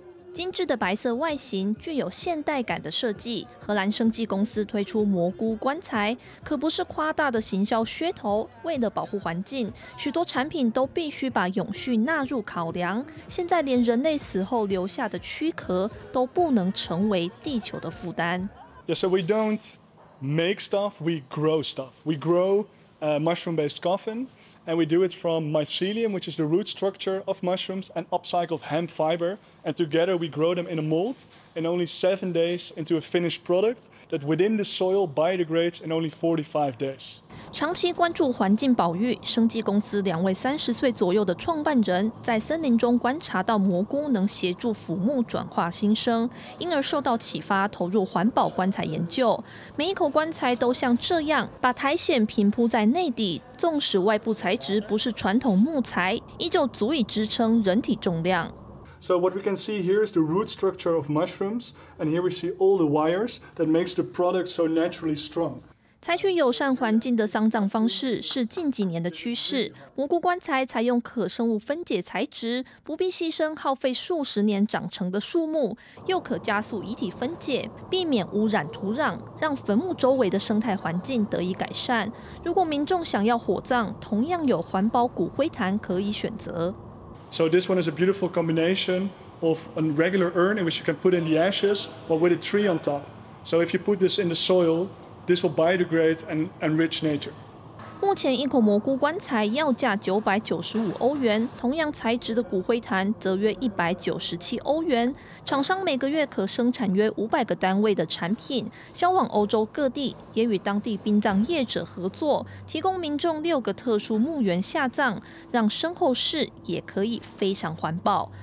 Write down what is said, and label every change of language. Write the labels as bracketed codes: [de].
[zh] 精致的白色外形，具有现代感的设计，荷兰生技公司推出蘑菇棺材，可不是夸大的行销噱头。为了保护环境，许多产品都必须把永续纳入考量。现在连人类死后留下的躯壳都不能成为地球的负担。 [en] Yeah, so we don't make stuff, we grow stuff. We grow a mushroom-based coffin, and we do it from mycelium, which is the root structure of mushrooms, and upcycled hemp fiber. And together we grow them in a mold in only 7 days into a finished product that within the soil biodegrades in only 45 days. [zh] 长期关注环境保育，生技公司两位30岁左右的创办人在森林中观察到蘑菇能协助腐木转化新生，因而受到启发投入环保棺材研究。每一口棺材都像这样把苔藓平铺在内底，纵使外部材质不是传统木材，依旧足以支撑人体重量。 [en] So what we can see here is the root structure of mushrooms, and here we see all the wires that makes the product so naturally strong. [zh] 采取友善环境的丧葬方式是近几年的趋势。蘑菇棺材采用可生物分解材质，不必牺牲耗费数十年长成的树木，又可加速遗体分解，避免污染土壤，让坟墓周围的生态环境得以改善。如果民众想要火葬，同样有环保骨灰坛可以选择。 [en] So this one is a beautiful combination of a regular urn in which you can put in the ashes, but with a tree on top. So if you put this in the soil,This will biodegrade and enrich nature. [zh] 目前一口蘑菇棺材要价$995，同样材质的骨灰坛则约$197。厂商每个月可生产约500个单位的产品，销往欧洲各地，也与当地殡葬业者合作，提供民众6个特殊墓园下葬，让身后事也可以非常环保。